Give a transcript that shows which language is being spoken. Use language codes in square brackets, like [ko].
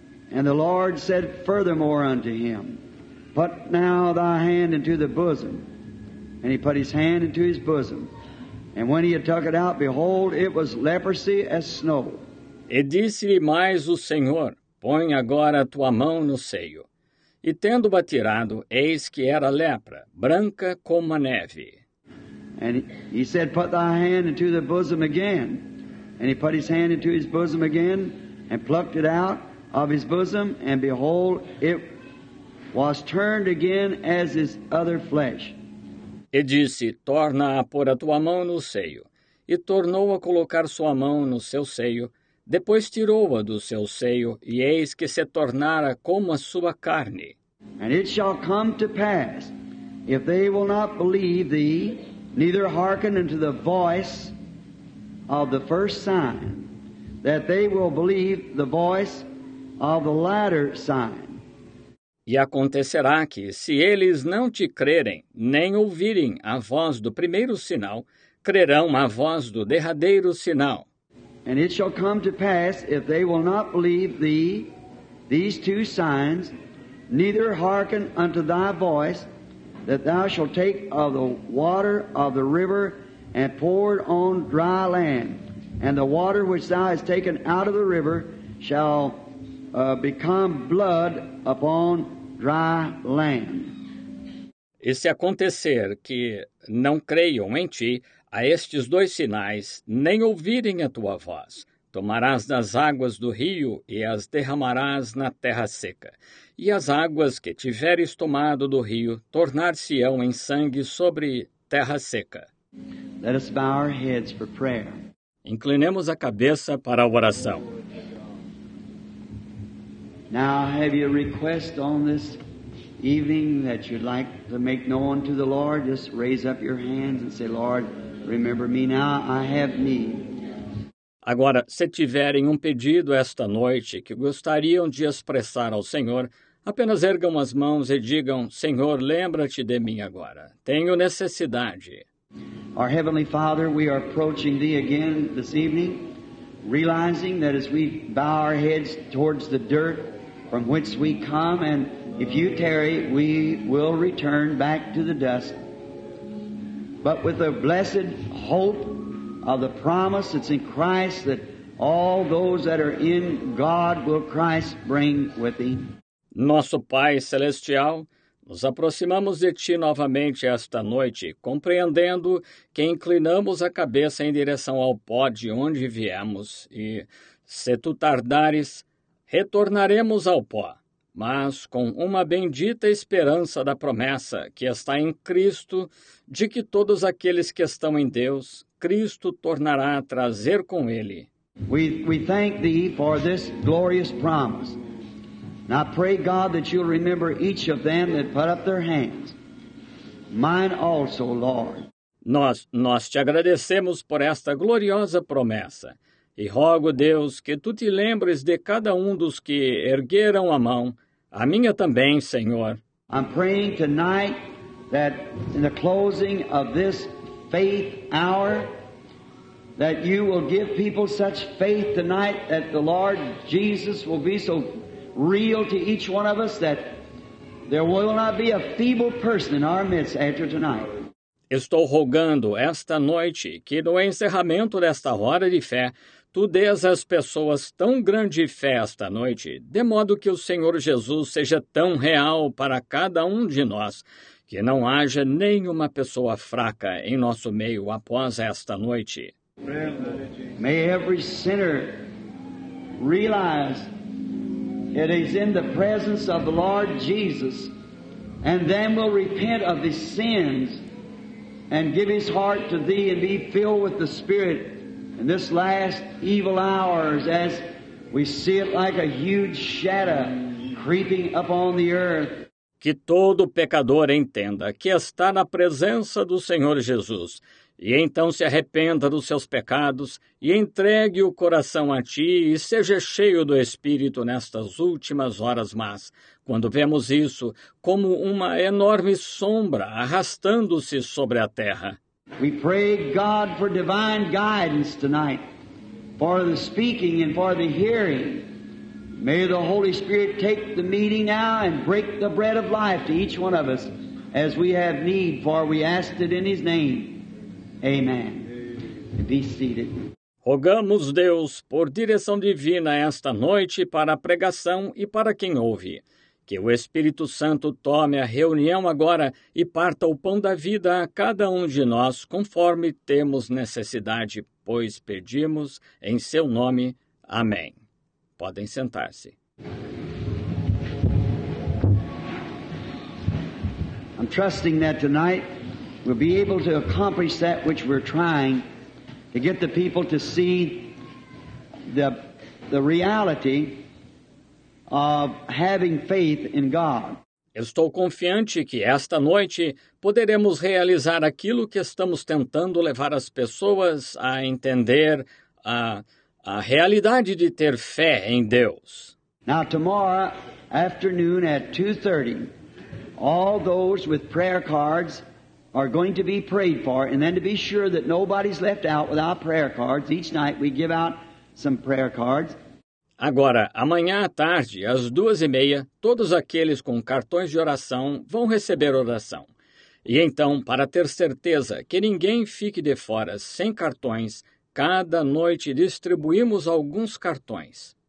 [en] And the Lord said furthermore unto him, Put now thy hand into the bosom. And he put his hand into his bosom. And when he had took it out, behold, it was leprosy as snow. [pt] E disse-lhe mais o Senhor, Põe agora a tua mão no seio. E tendo-a tirado, eis que era lepra, branca como a neve. [en] And he said, Put thy hand into the bosom again. And he put his hand into his bosom again, and plucked it out of his bosom, and behold, it was turned again as his other flesh. [pt] E disse, Torna a pôr a tua mão no seio. E tornou a colocar sua mão no seu seio. Depois tirou-a do seu seio, e eis que se tornara como a sua carne. [en] And it shall come to pass, if they will not believe thee, neither hearken unto the voice of the first sign, that they will believe the voice of the latter sign. [pt] E acontecerá que, se eles não te crerem, nem ouvirem a voz do primeiro sinal, crerão a voz do derradeiro sinal. [en] And it shall come to pass, if they will not believe thee, these two signs, neither hearken unto thy voice, that thou shalt take of the water of the river and pour it on dry land. And the water which thou hast taken out of the river shall become blood upon dry land. [pt] E se acontecer que não creiam em ti, a estes dois sinais, nem ouvirem a tua voz, tomarás das águas do rio e as derramarás na terra seca. E as águas que tiveres tomado do rio tornar-se-ão em sangue sobre terra seca. [en] Let us bow our heads for prayer. [pt] Inclinemos a cabeça para a oração. [en] Now have you a request on this evening that you'd like to make known to the Lord? Just raise up your hands and say, Lord, remember me now, I have need. [pt] Agora, se tiverem um pedido esta noite que gostariam de expressar ao Senhor, apenas ergam as mãos e digam, Senhor, lembra-te de mim agora. Tenho necessidade. [en] Our Heavenly Father, we are approaching Thee again this evening, realizing that as we bow our heads towards the dirt from which we come, and if You tarry, we will return back to the dust. but with the blessed hope of the promise that's in Christ, that all those that are in God will Christ bring with him. [pt] Nosso Pai Celestial, nos aproximamos de Ti novamente esta noite, compreendendo que inclinamos a cabeça em direção ao pó de onde viemos, e se Tu tardares, retornaremos ao pó, mas com uma bendita esperança da promessa que está em Cristo, de que todos aqueles que estão em Deus, Cristo tornará a trazer com Ele. [en] We thank Thee for this glorious promise. And I pray, God, that You'll remember each of them that put up their hands. Mine also, Lord. [pt] Nós Te agradecemos por esta gloriosa promessa. E rogo, Deus, que Tu te lembres de cada dos que ergueram a mão. A minha também, Senhor. [en] I'm praying tonight that in the closing of this faith hour, that You will give people such faith tonight that the Lord Jesus will be so real to each one of us that there will not be a feeble person in our midst after tonight. [pt] Estou rogando esta noite que no encerramento desta hora de fé, Tu dês às pessoas tão grande fé esta noite, de modo que o Senhor Jesus seja tão real para cada de nós, que não haja nenhuma pessoa fraca em nosso meio após esta noite. [en] May every sinner realize it is in the presence of the Lord Jesus, and then will repent of his sins and give his heart to Thee and be filled with the Spirit in this last evil hour, as we see it like a huge shadow creeping upon the earth. [pt] Que todo pecador entenda que está na presença do Senhor Jesus, e então se arrependa dos seus pecados e entregue o coração a Ti e seja cheio do Espírito nestas últimas horas más, quando vemos isso como uma enorme sombra arrastando-se sobre a terra. [en] We pray God for divine guidance tonight, for the speaking and for the hearing. May the Holy Spirit take the meeting now and break the bread of life to each one of us as we have need, for we ask it in His name. Amen. Be seated. [pt] Rogamos, Deus, por direção divina esta noite para a pregação e para quem ouve, que o Espírito Santo tome a reunião agora e parta o pão da vida a cada de nós conforme temos necessidade, pois pedimos em seu nome. Amém. Podem sentar-se. [en] I'm trusting that tonight we'll be able to accomplish that which we're trying to get the people to see the reality of having faith in God. [pt] Estou confiante que esta noite poderemos realizar aquilo que estamos tentando levar as pessoas a entender, a realidade de ter fé em Deus. [en] Now tomorrow afternoon at 2:30, all those with prayer cards are going to be prayed for, and then to be sure that nobody's left out without prayer cards, each night we give out some prayer cards. [pt] Agora, amanhã à tarde, às 2:30, todos aqueles com cartões de oração vão receber oração. E então, para ter certeza que ninguém fique de fora sem cartões, cada noite distribuímos alguns cartões.